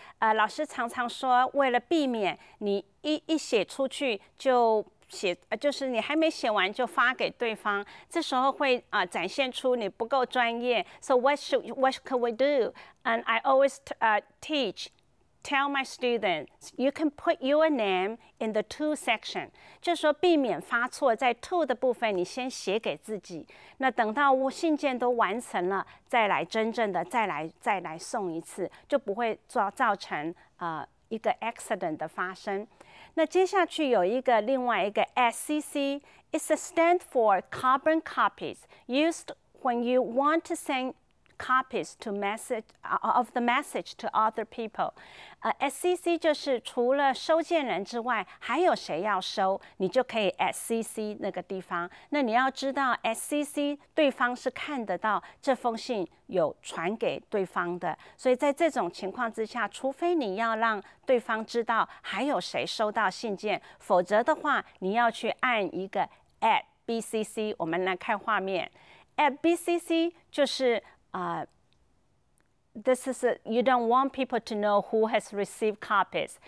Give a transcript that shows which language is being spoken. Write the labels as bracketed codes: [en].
[zh] 老师常常说，为了避免你一写出去就写，就是你还没写完就发给对方，这时候会展现出你不够专业。 [en] So what could we do? And I always teach. tell my students, you can put your name in the to section. [zh] 就是说避免发错，在 to 的部分你先写给自己。那等到我信件都完成了，再来真正的再来送一次，就不会造成一个 accident 的发生。那接下去有一个另外一个 [en] SCC, it's a stand for carbon copies used when you want to send copies to of the message to other people. [zh] SCC 就是除了收件人之外，还有谁要收，你就可以 SCC 那个地方。那你要知道 SCC 对方是看得到这封信有传给对方的，所以在这种情况之下，除非你要让对方知道还有谁收到信件，否则的话你要去按一个 at BCC。我们来看画面， [en] at BCC [zh] 就是 [en] you don't want people to know who has received copies.